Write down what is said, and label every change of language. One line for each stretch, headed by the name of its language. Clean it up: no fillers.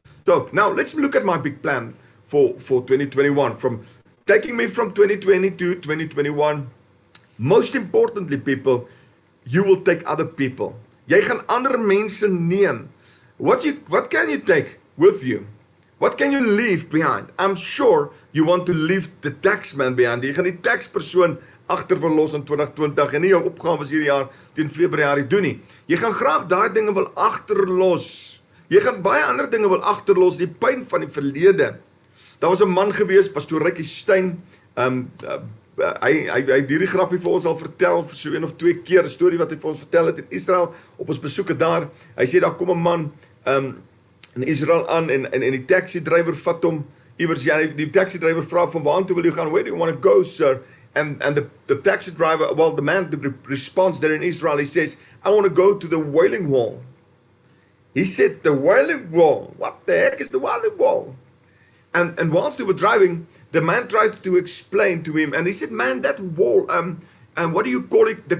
English: So now let's look at my big plan for 2021, from taking me from 2020 to 2021. Most importantly, people, you will take other people.
Afrikaans: Jy gaan ander mense neem.
English: What can you take with you? What can you leave behind? I'm sure you want to leave the taxman behind.
Afrikaans: Jy gaan die taxpersoon achter wil los in 2020 en nie jou opgave is hierdie jaar teen Februarie doen nie. Jy gaan graag daai dinge wil achterlos. Jy gaan baie ander dinge wil achterlos, die pyn van die verlede. Daar was 'n man gewees, Pastor Rikkie Steyn, hy het hierdie grapje vir ons al vertel, vir so 1 of 2 keer, die story wat hy vir ons vertel het in Israel, op ons besoeke daar. Hy sê, daar kom 'n man in Israel aan, en die taxi-driver vat hom, die taxi-driver vraag van, waar toe wil jy gaan,
English: where do you want to go, sir? And the taxi driver, well, the man, the response there in Israel, he says, I want to go to the Wailing Wall. He said, the Wailing Wall? What the heck is the Wailing Wall? And whilst they were driving, the man tried to explain to him, and he said, man, that wall, what do you call it?